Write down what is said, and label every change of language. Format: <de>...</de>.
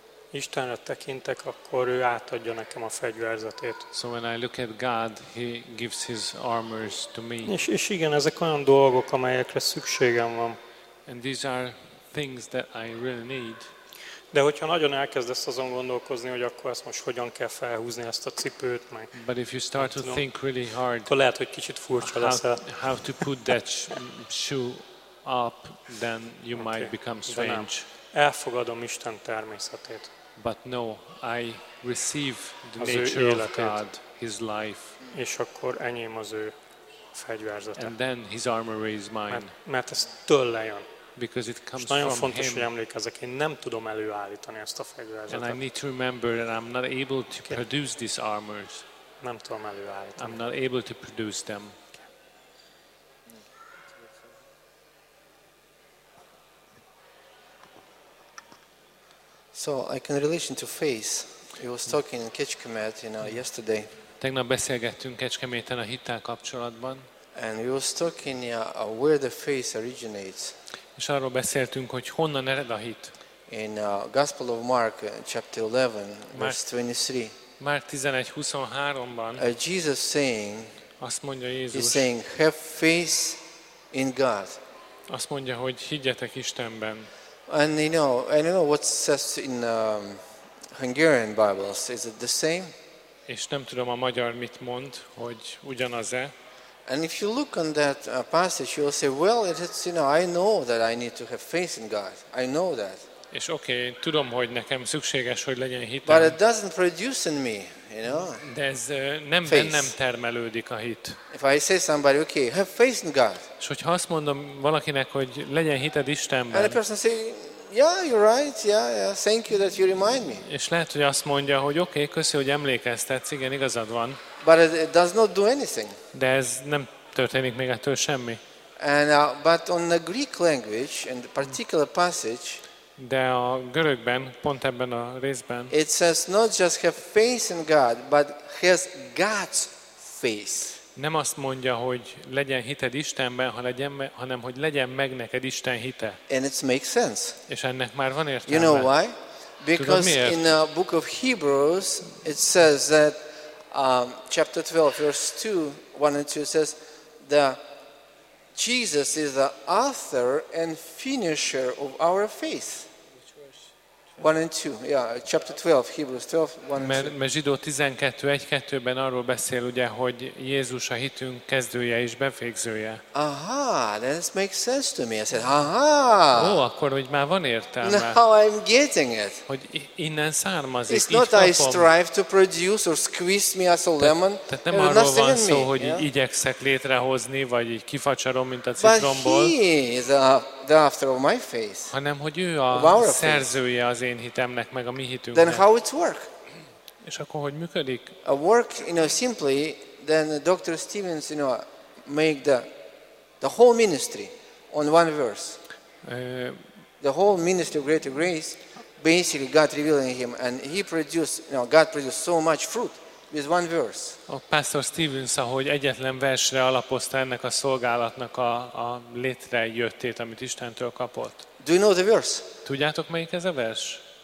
<hu>Istenre tekintek, akkor ő átadja nekem a fegyverzetét.</hu> <en>So when I look at God, he gives his armors to me.</en> <hu>És igen, ezek olyan dolgok, amelyekre szükségem van.</hu> <en>And these are things that I really need.</en> <hu>De hogyha nagyon elkezdesz azon gondolkozni, hogy akkor ezt most hogyan kell felhúzni ezt a cipőt, meg.</hu> <en>But if you start to think really hard.</en> <hu>Akkor lehet, hogy kicsit furcsa lesz.</hu> <en>How to put that shoe up, then you might become strange.</en> <hu>Elfogadom Isten természetét.</hu> <en>But no, I receive the nature of God, his life.</en> <hu>És akkor enyém az ő fegyverzete.</hu> <en>And then his armory is mine.</en> <hu>Mert ez tőle jön.</hu> <en>Because it comes from him.</en> <hu>Nagyon fontos, hogy emlékezzek, én nem tudom előállítani ezt a fegyverzetet.</hu> <en>And I need to remember that I'm not able to produce these armors.</en> <hu>Nem tudom előállítani.</hu> <en>I'm not able to produce them. So I can relation to faith. He was talking in Kecskemét, you know, yesterday.</en> <hu>Tegnap beszélgettünk Kecskeméten a hittel kapcsolatban.</hu> <en>And we were talking where the faith originates.</en> <hu>És arról beszéltünk, hogy honnan ered a hit.</hu> <en>In Gospel of Mark chapter 11 verse 23.</en> <hu>Mark 11:23-ban.</hu> <en>Jesus saying.</en> <hu>Azt mondja Jézus.</hu> <en>He's saying, have faith in God.</en> <hu>Azt mondja, hogy higgyetek Istenben.</hu> <en>And you know what says in Hungarian Bibles, is it the same?</en> <hu>És nem tudom a magyar mit mond, hogy ugyanaz-e.</hu> <en>And if you look on that passage, you will say, well, it's, you know, I know that I need to have faith in God. I know that.</en> <hu>És okay, tudom, hogy nekem szükséges, hogy legyen hitem.</hu> <en>But it doesn't produce in me, you know.</en> <hu>De ez nem faith. Bennem termelődik a hit.</hu> <en>If I say somebody, okay, have faith in God.</en> <hu>És hogyha azt mondom valakinek, hogy legyen hited Istenben.</hu> <en>And the person say, yeah, you're right, yeah, thank you that you remind me.</en> <hu>És lehet, hogy azt mondja, hogy okay, köszi, hogy emlékeztetsz, igen, igazad van.</hu> <en>But it does not do anything.</en> <hu>De ez nem történik még ettől semmi.</hu> <en>And but on the Greek language in the particular passage.</en> <hu>De a görögben, pont ebben a részben.</hu> <en>It says not just have faith in God, but has God's faith.</en> <hu>Nem azt mondja, hogy legyen hited Istenben, hanem hogy legyen meg neked Isten hite.</hu> <en>And it makes sense.</en> <hu>És ennek már van értelme.</hu> <en>You know why? Because in the book of Hebrews it says that chapter 12 verse 2:1-2 says that Jesus is the author and finisher of our faith. Which verse? 1 and 2. Yeah, chapter 12, Hebrews 12, 1 and 2.</en> <hu>Mert Zsidó 12:2-ben arról beszél ugye, hogy Jézus a hitünk kezdője és befégzője.</hu> <en>Aha, that makes sense to me. I said, aha.</en> <hu>Ó, akkor hogy már van értelme.</hu> <en>Now I'm getting it.</en> <hu>Hogy innen származik.</hu> <en>It's not I strive to produce or squeeze me as a lemon.</en> <hu>Tehát nem arról van szó, hogy igyekszek létrehozni, vagy így kifacsarom, mint a citromból.</hu> <en>But he is the author of my faith.</en> <hu>Hanem, hogy ő a szerzője az én hitemnek, meg a mi hitünknek.</hu> <en>Then how it work?</en> <hu>És akkor hogy működik?</hu> <en>A work, you know, simply, then Dr. Stevens, you know, make the whole ministry on one verse. The whole ministry of greater grace, basically God revealing him, and he produced, you know, God produced so much fruit with one verse.</en> <hu>A Pastor Stevens, ahogy egyetlen versre alapozta ennek a szolgálatnak a létrejöttét, amit Istentől kapott.</hu> <en>Do you know the verse?</en> <hu>Tudjátok, melyik ez a vers?</hu>